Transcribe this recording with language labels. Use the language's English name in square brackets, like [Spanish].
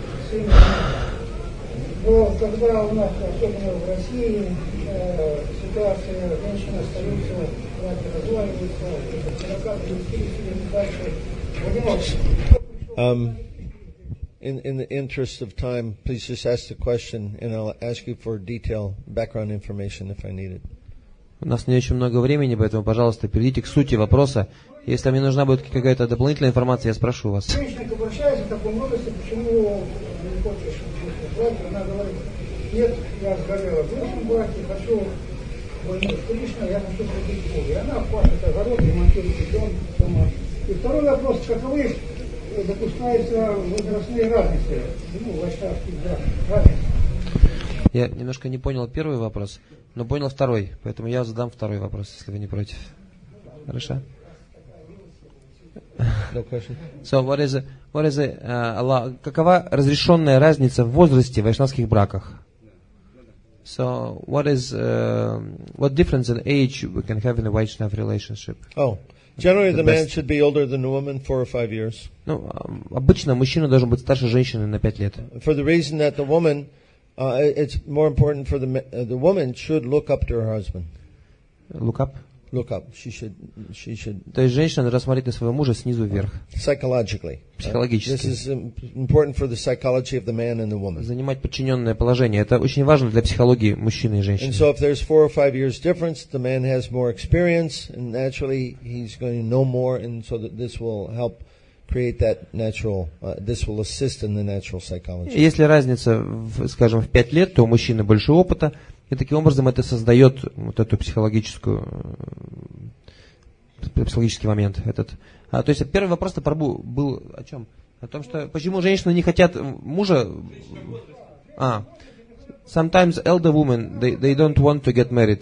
[Russian] Но когда у нас, особенно в России, ситуация, женщина остается, знаете, разваливается, прокатывается, или дальше, [English] In the interest of time, please just ask the question, and I'll ask you for detail, background information, if I need it. [Russian] У нас не очень много времени, поэтому, пожалуйста, перейдите к сути вопроса. Если мне нужна будет какая-то дополнительная информация, я спрошу вас. Женщина обращается в таком возрасте, почему не хочешь? Она говорит, нет, я сгорела в вашем браке, хочу войти в Кришну, я хочу пройти в Бога. И она пашет огород, ремонтирует дом, сама. И второй вопрос, каковы допускаются возрастные разницы? Ну, вайшнавские разницы. Я немножко не понял первый вопрос, но понял второй. Поэтому я задам второй вопрос, если вы не против. Хорошо? [English] No question. [Russian] So какова разрешенная разница в возрасте в вайшнавских браках? [English] So what difference in age we can have in a Vaishnav relationship? Oh, generally the man should be older than the woman 4 or 5 years. [Russian] Ну, обычно мужчина должен быть старше женщины на 5 лет. [English] For the reason that the woman, it's more important for the woman should look up to her husband. Look up. Look up. She should. [Russian] То есть женщина должна смотреть на своего мужа снизу вверх. [English] Psychologically. [Russian] Психологически. [English] This is important for the psychology of the man and the woman. [Russian] Занимать подчиненное положение. Это очень важно для психологии мужчины и женщины. [English] And so, if there's 4 or 5 years difference, the man has more experience, and naturally he's going to know more, and so that this will help create that natural. This will assist in the natural psychology. [Russian] Если разница, скажем, в 5 лет, то у мужчины больше опыта. И таким образом это создает вот эту психологический момент этот. То есть первый вопрос на Прабу был о чем? О том, что почему женщины не хотят мужа? [English] Sometimes elder women they don't want to get married.